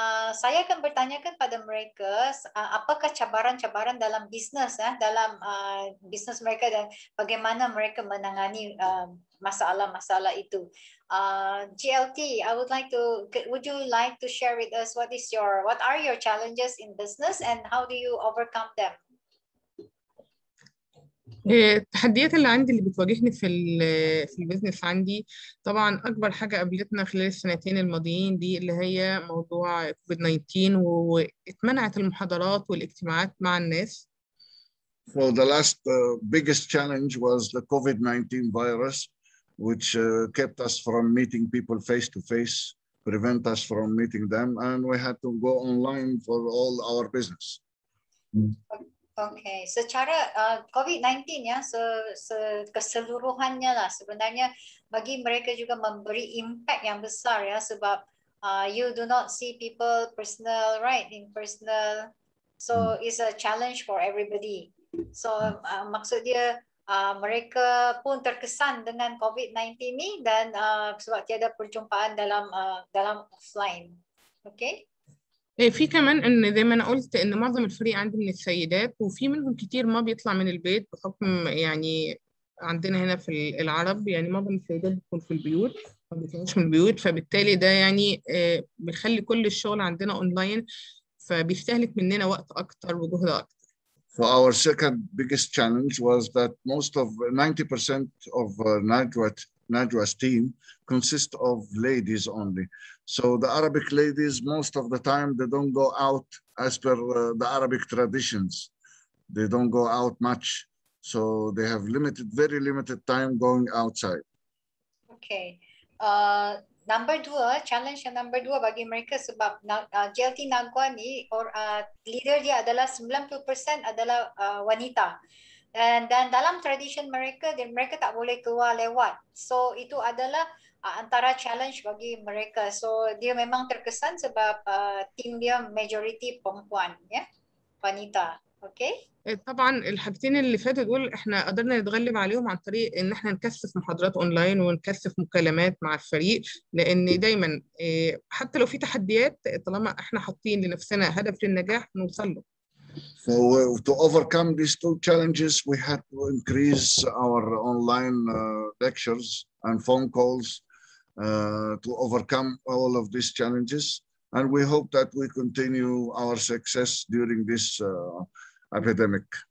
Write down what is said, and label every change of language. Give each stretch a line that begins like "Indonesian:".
Malay: Saya akan bertanyakan pada mereka, apakah cabaran-cabaran dalam bisnes, dalam bisnes mereka dan bagaimana mereka menangani masalah-masalah itu.
English: GLT, would you like to share with us what are your challenges in business and how do you overcome them?
Arabic: التحديات اللي عندي اللي بتواجهني في البيزنس عندي، طبعا اكبر حاجه قابلتنا خلال السنتين الماضيين دي اللي هي موضوع COVID-19، واتمنعت المحاضرات والاجتماعات مع الناس.
English: So the last biggest challenge was the COVID-19 virus, which kept us from meeting people face to face, prevent us from meeting them, and we had to go online for all our business.
Malay: Okay, secara COVID-19 ya, keseluruhannya lah sebenarnya bagi mereka juga memberi impact yang besar ya, sebab
English: you do not see people personal, right, in personal. So it's a challenge for everybody.
Malay: So maksud dia mereka pun terkesan dengan COVID-19 ni dan sebab tiada perjumpaan dalam dalam offline. Okay.
Arabic: في كمان ان زي ما انا قلت ان معظم الفريق عندي من السيدات، وفي منهم كتير ما بيطلع من البيت بحكم يعني عندنا هنا في العرب يعني معظم السيدات بتكون في البيوت ما بيطلعوش من البيوت، فبالتالي ده يعني بيخلي كل الشغل عندنا اونلاين فبيستهلك مننا وقت اكتر وجهد اكتر.
English: For our second biggest challenge was that most of 90% of Nagwa's team consists of ladies only. So the Arabic ladies, most of the time, they don't go out as per the Arabic traditions. They don't go out much. So they have limited, very limited time going outside. Okay. Number two, challenge number two
Malay: bagi mereka sebab GLT Nagwa ni, leader dia adalah 90% adalah wanita. Dan dalam tradition mereka, mereka tak boleh keluar lewat. So itu adalah antara challenge bagi mereka. So dia memang terkesan sebab tim dia majority perempuan, ya, wanita. Okay.
Arabic: طبعا الحاجتين اللي فاتوا دول احنا قدرنا نتغلب عليهم عن طريق ان احنا نكثف محاضرات اونلاين ونكثف مكالمات مع الفريق، لان دايما حتى لو في تحديات طالما احنا حاطين لنفسنا هدف للنجاح نوصل له.
English: So to overcome these two challenges, we had to increase our online lectures and phone calls to overcome all of these challenges. And we hope that we continue our success during this epidemic.